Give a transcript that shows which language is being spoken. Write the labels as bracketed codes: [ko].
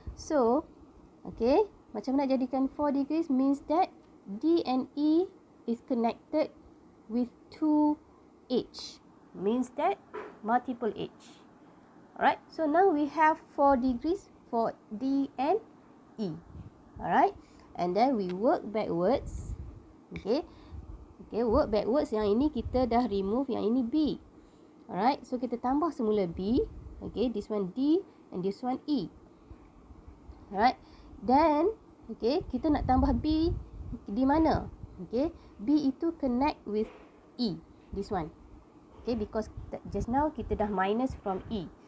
[en] So, okay, [ms] macam mana jadikan [en] 4 degrees means that D and E is connected with 2 H. Means that multiple H. Alright, so now we have 4 degrees for D and E. Alright, and then we work backwards. Okay, okay, work backwards. [ms] Yang ini kita dah remove, yang ini B. Alright, so kita tambah semula B. [en] Okay, this one D and this one E. Alright, then, okay, [ms] kita nak tambah B di mana? [en] Okay, B itu connect with E, this one. Okay, because just now [ms] kita dah [en] minus from E.